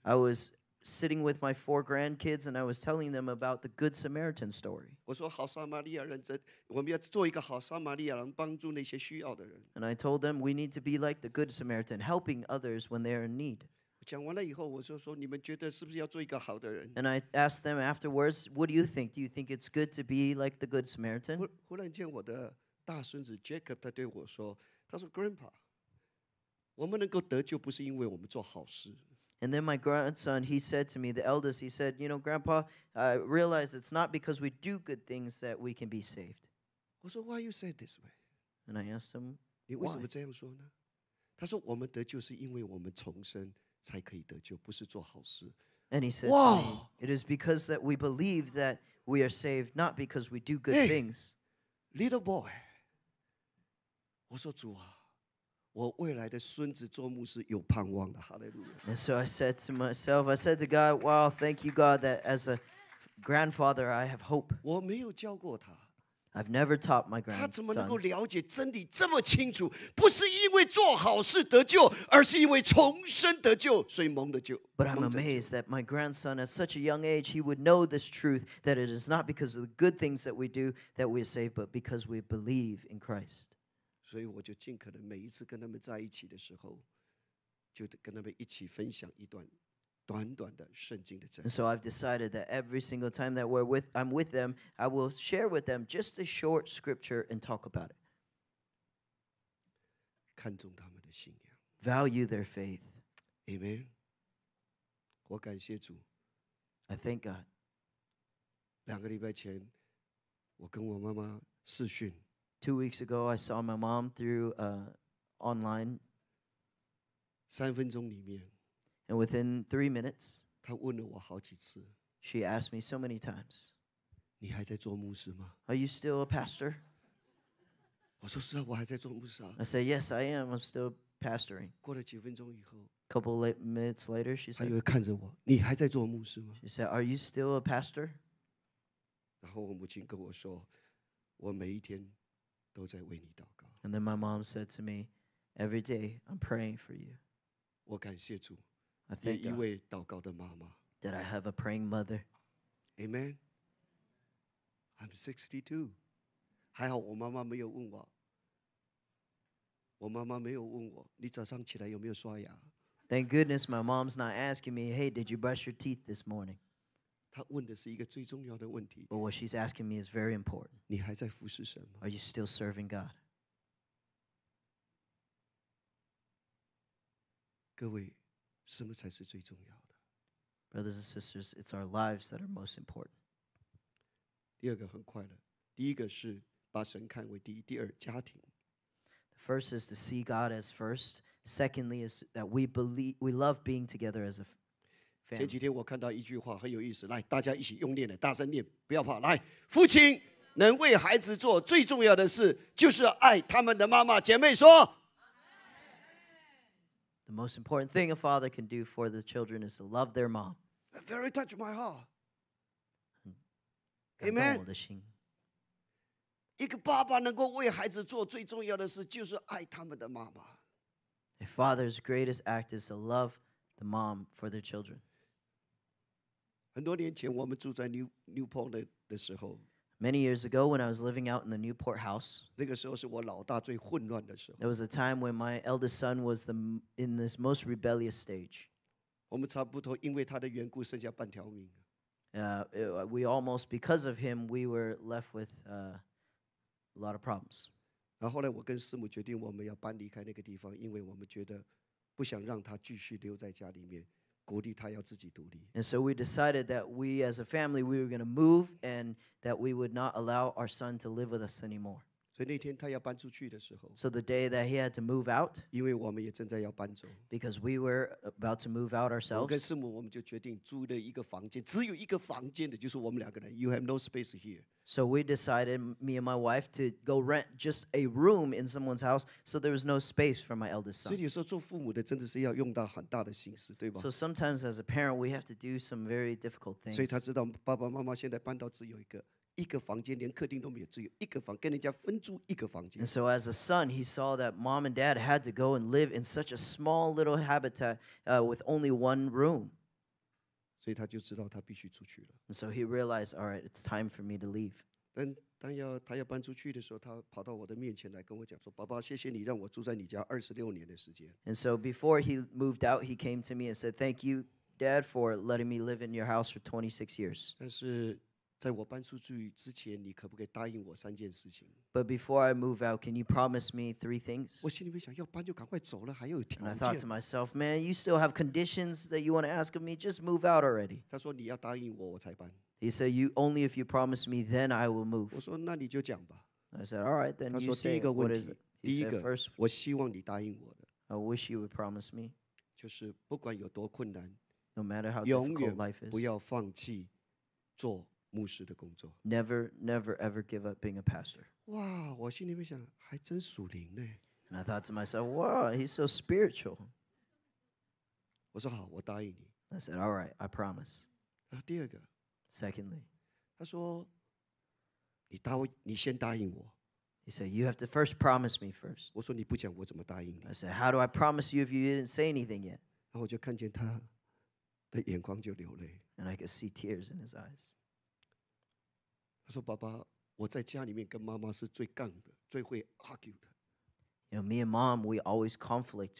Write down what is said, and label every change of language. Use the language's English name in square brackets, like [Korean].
[English] I was sitting with my four grandkids and I was telling them about the Good Samaritan story. [Chinese] 我说好撒玛利亚人，我们要做一个好撒玛利亚人，帮助那些需要的人。 [English] And I told them we need to be like the Good Samaritan, helping others when they are in need. [Chinese] 讲完了以后，我就说你们觉得是不是要做一个好的人？ [English] And I asked them afterwards, what do you think? Do you think it's good to be like the Good Samaritan? [Chinese] 忽然间我的大孙子 Jacob 他对我说，他说 Grandpa, 我们能够得救不是因为我们做好事。 [English] And then my grandson, he said to me, the eldest, he said, you know, Grandpa, I realize it's not because we do good things that we can be saved. [Chinese] 我说 [English] why you say it this way? And I asked him, [Chinese] 你为什么这样说呢？他说我们得救是因为我们重生。才可以得救，不是做好事。 [English] And he said, wow! To me, it is because that we believe that we are saved, not because we do good things. Little boy, [Chinese] 我说主啊, 我未来的孙子做牧师有盼望的, Hallelujah. [English] And so I said to myself, I said to God, wow, thank you, God, that as a grandfather, I have hope. [Chinese] 我没有教过他。 [English] I've never taught my grandsons. [Chinese] 他怎么能够了解真理这么清楚？不是因为做好事得救， 而是因为重生得救，所以蒙得救。 [English] But I'm amazed that my grandson, at such a young age, he would know this truth, that it is not because of the good things that we do that we are saved, but because we believe in Christ. [Chinese] 所以我就尽可能每一次跟他们在一起的时候， 就跟他们一起分享一段。 [English] And so I've decided that every single time that I'm with them, I will share with them just a short scripture and talk about it. Value their faith. Amen. I thank God. [Chinese] 两个礼拜前, [English] 2 weeks ago, I saw my mom through online. [Chinese] 三分钟里面, [English] And within 3 minutes, [Chinese] 她问了我好几次, [English] she asked me so many times, [Chinese] 你还在做牧师吗? [English] Are you still a pastor? [Chinese] 我说是啊，我还在做牧师啊。 [English] I said yes, I am. I'm still pastoring. [Chinese] 过了几分钟以后 [English] ，couple late minutes later, she said. [Chinese] 她又看着我，你还在做牧师吗 [English] ？She said, are you still a pastor? [Chinese] 然后我母亲跟我说，我每一天都在为你祷告。 [English] And then my mom said to me, every day I'm praying for you. [Chinese] 我感谢主。 [English] I thank God, [Chinese] 一位祷告的妈妈。 [English] That I have a praying mother. Amen. I'm 62. [Chinese] 还好我妈妈没有问我。我妈妈没有问我，你早上起来有没有刷牙 [English] ？Thank goodness, my mom's not asking me, "Hey, did you brush your teeth this morning?" [Chinese] 她问的是一个最重要的问题。 [English] But what she's asking me is very important. [Chinese] 你还在服侍神吗 [English] ？Are you still serving God? [Chinese] 各位，什么才是最重要？ [English] Brothers and sisters, it's our lives that are most important. [Chinese] 第二个很快的，第一个是把神看为第一，第二家庭。 [English] The first is to see God as first. Secondly is that we love being together as a family. [Chinese] 前几天我看到一句话很有意思，来大家一起用念的，大声念，不要怕。来，父亲能为孩子做最重要的事，就是爱他们的妈妈。姐妹说。 [English] The most important thing a father can do for the children is to love their mom. Very touched my heart. Amen. [Chinese] 一个爸爸能够为孩子做最重要的事就是爱他们的妈妈。 [English] A father's greatest act is to love the mom for their children. [Chinese] 很多年前我们住在 Newport 的时候。 [English] Many years ago, when I was living out in the Newport house, [Chinese] 那个时候是我老大最混乱的时候。 [English] There was a time when my eldest son was in this most rebellious stage. [Chinese] 我们差不多因为他的缘故剩下半条命。 [English] We almost because of him, we were left with a lot of problems. [Chinese] 然后后来我跟师母决定我们要搬离开那个地方，因为我们觉得不想让他继续留在家里面，鼓励他要自己独立。 [English] And so we decided that we as a family we were going to move and that we would not allow our son to live with us anymore. [Chinese] 所以那天他要搬出去的时候。 [English] So the day that he had to move out. [Chinese] 因为我们也正在要搬走。 [English] Because we were about to move out ourselves. [Chinese] 我跟师母我们就决定租的一个房间，只有一个房间的就是我们两个人。 [English] You have no space here. So we decided, me and my wife, to go rent just a room in someone's house, so there was no space for my eldest son. [Chinese] 所以有时候做父母的真的是要用到很大的心思，对吧？ [English] So sometimes as a parent, we have to do some very difficult things. [Chinese] 所以他知道爸爸妈妈现在搬到只有一个。一个房间连客厅都没有，只有一个房，跟人家分租一个房间。 [English] And so as a son, he saw that mom and dad had to go and live in such a small little habitat, with only one room. [Chinese] 所以他就知道他必须出去了。 [English] And so he realized, all right, it's time for me to leave. [Chinese] 当他要搬出去的时候，他跑到我的面前来跟我讲说：“爸爸，谢谢你让我住在你家26年的时间。” [English] And so before he moved out, he came to me and said, "Thank you, Dad, for letting me live in your house for 26 years." [Chinese] 但是在我搬出去之前，你可不可以答应我三件事情 [English] ？But before I move out, can you promise me three things? [Chinese] 我心里面想要搬就赶快走了，还有条件。 [English] And I thought to myself, man, you still have conditions that you want to ask of me. Just move out already. [Chinese] 他说你要答应我，我才搬。 [English] He said, you only if you promise me, then I will move. [Chinese] 我说那你就讲吧。 [English] I said, all right, then you say. [Chinese] 他说第一个问题，第一个 [English] first, [Chinese] 我希望你答应我的。 [English] I wish you would promise me. [Chinese] 就是不管有多困难 [English] ，No matter how difficult life is, [Chinese] 不要放弃做。牧师的工作 [English] Never, never, ever give up being a pastor. [Chinese] 哇，我心里面想，还真属灵呢。 [English] And I thought to myself, wow, he's so spiritual. [Chinese] 我说好，我答应你。 [English] I said, all right, I promise. [Chinese] 然后第二个 [English] Secondly, [Chinese] 他说，你先答应我。 [English] He said, you have to first promise me first. [Chinese] 我说你不讲，我怎么答应你 [English] ？I said, how do I promise you if you didn't say anything yet? [Chinese] 然后我就看见他的眼眶就流泪。 [English] And I could see tears in his eyes. [Chinese] 他说：“爸爸，我在家里面跟妈妈是最杠的，最会 argue 的。 [English] You know, me and mom, we always conflict.